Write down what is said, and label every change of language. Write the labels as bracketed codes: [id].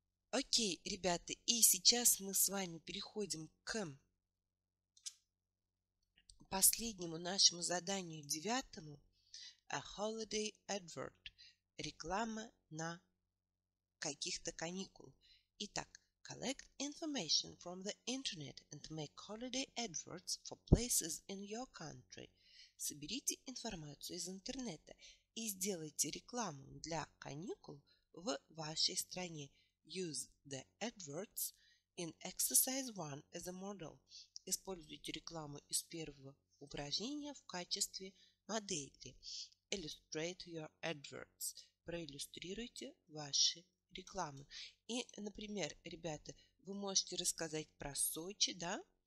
[ru] Окей, ребята, и сейчас мы с вами переходим к последнему нашему заданию, девятому. [en] A holiday advert. [ru] Реклама на каких-то каникул. [en] Итак, collect information from the internet and make holiday adverts for places in your country. [ru] Соберите информацию из интернета и сделайте рекламу для каникул в вашей стране. [en] Use the adverts in exercise 1 as a model. [ru] Используйте рекламу из первого упражнения в качестве модели. [en] Illustrate your adverts. [ru] Проиллюстрируйте ваши рекламы. И, например, ребята, вы можете рассказать про Сочи, да?